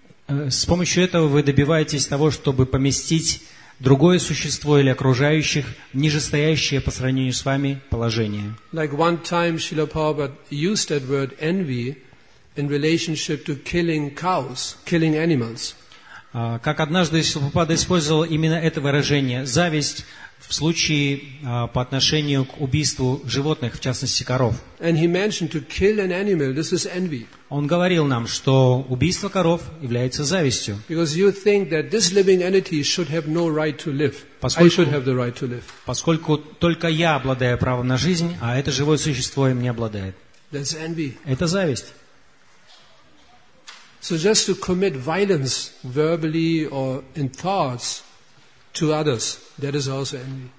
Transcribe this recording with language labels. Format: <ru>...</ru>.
<ru>С помощью этого вы добиваетесь того, чтобы поместить другое существо или окружающих в нижестоящее по сравнению с вами положение.</ru> <en>Like one time Srila Prabhupada used that word envy in relationship to killing cows, killing animals.</en> <ru>Как однажды Шрила Прабхупада использовал именно это выражение «зависть» в случае по отношению к убийству животных, в частности коров.</ru> <en>And he mentioned to kill an animal, this is envy.</en> <ru>Он говорил нам, что убийство коров является завистью.</ru> <en>Because you think that this living entity should have no right to live. I should have the right to live.</en> <ru>Поскольку только я обладаю правом на жизнь, а это живое существо им не обладает.</ru> <en>That's envy.</en> <ru>Это зависть.</ru> <en>So just to commit violence verbally or in thoughts to others, that is also envy.</en>